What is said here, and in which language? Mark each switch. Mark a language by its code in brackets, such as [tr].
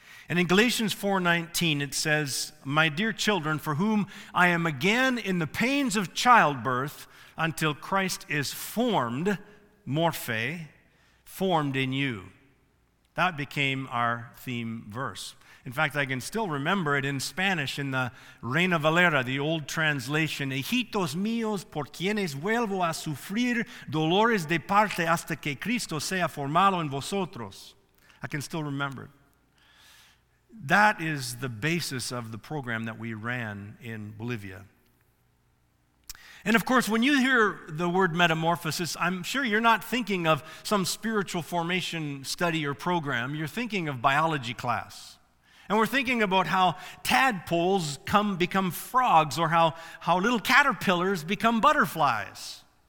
[en] And in Galatians 4, 19, it says, "My dear children, for whom I am again in the pains of childbirth until Christ is formed, morphe, formed in you." That became our theme verse. In fact, I can still remember it in Spanish in the Reina Valera, the old translation. [es] Hijitos míos, por quienes vuelvo a sufrir dolores de parte hasta que Cristo sea formado en vosotros. [en] I can still remember it. That is the basis of the program that we ran in Bolivia. And of course, when you hear the word metamorphosis, I'm sure you're not thinking of some spiritual formation study or program. You're thinking of biology class. And we're thinking about how tadpoles become frogs, or how little caterpillars become butterflies.